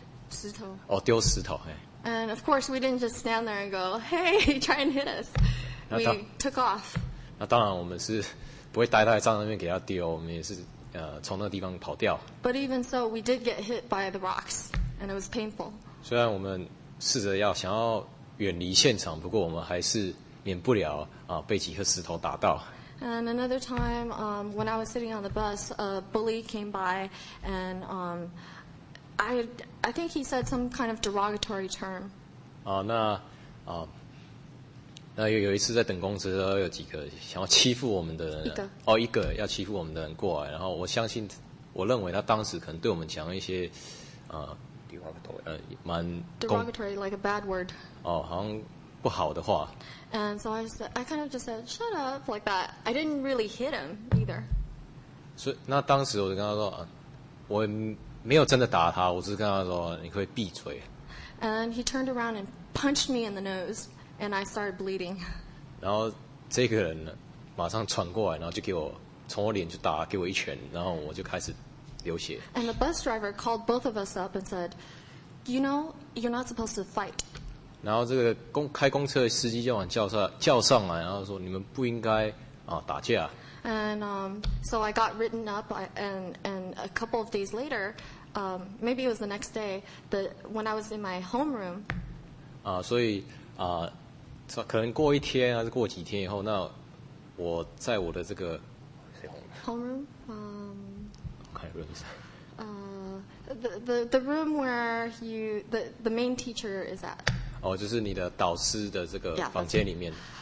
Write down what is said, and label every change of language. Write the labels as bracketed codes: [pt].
[zh] 石头。哦，丢石头，嘿。 [en] And of course, we didn't just stand there and go, "Hey, try and hit us." We took off. [zh] 那当然，我们是不会呆呆站在那边给他丢，我们也是从那个地方跑掉。 [en] But even so, we did get hit by the rocks, and it was painful. [zh] 虽然我们试着要想要远离现场，不过我们还是免不了被几颗石头打到。 [en] And another time, when I was sitting on the bus, a bully came by, and I think he said some kind of derogatory term. [zh] 那有一次在等公车的时候，有几个想要欺负我们的人，一个要欺负我们的人过来，然后我相信，我认为他当时可能对我们讲一些 [en] derogatory, like a bad word. [zh] 好像不好的话。 [en] And so I kind of just said, "Shut up," like that. I didn't really hit him either. [zh] 所以那当时我就跟他说，我没有真的打他，我只是跟他说，你可以闭嘴。 [en] And he turned around and punched me in the nose, and I started bleeding. [zh] 然后这个人马上传过来，然后就给我从我脸就打给我一拳，然后我就开始流血。 [en] And the bus driver called both of us up and said, "You know, you're not supposed to fight." [zh] 然后这个开公车的司机就把叫上来，然后说你们不应该打架。 [en] And so I got written up, and a couple of days later, maybe it was the next day, when I was in my homeroom. [zh] 所以可能过一天还是过几天以后，那我在我的这个 [en] homeroom. Kind of room. The room where you the main teacher is at. [zh] 就是你的导师的这个房间里面。